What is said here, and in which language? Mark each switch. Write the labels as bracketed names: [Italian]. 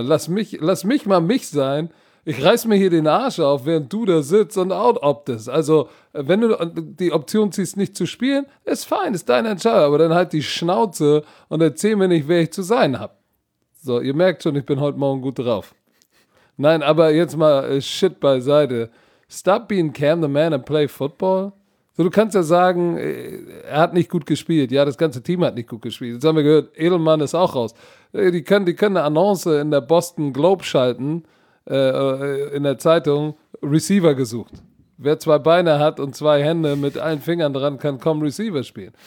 [German] Lass mich mal mich sein. Ich reiß mir hier den Arsch auf, während du da sitzt und out-optest. Also, wenn du die Option ziehst, nicht zu spielen, ist fein, ist deine Entscheidung. Aber dann halt die Schnauze und erzähl mir nicht, wer ich zu sein habe. So, ihr merkt schon, ich bin heute Morgen gut drauf. Nein, aber jetzt mal Shit beiseite. [English] Stop being Cam the man and play football. [German] So, du kannst ja sagen, er hat nicht gut gespielt. Ja, das ganze Team hat nicht gut gespielt. Jetzt haben wir gehört, Edelmann ist auch raus. Die können eine Annonce in der Boston Globe schalten, in der Zeitung, Receiver gesucht. Wer zwei Beine hat und zwei Hände mit allen Fingern dran, kann kaum Receiver spielen.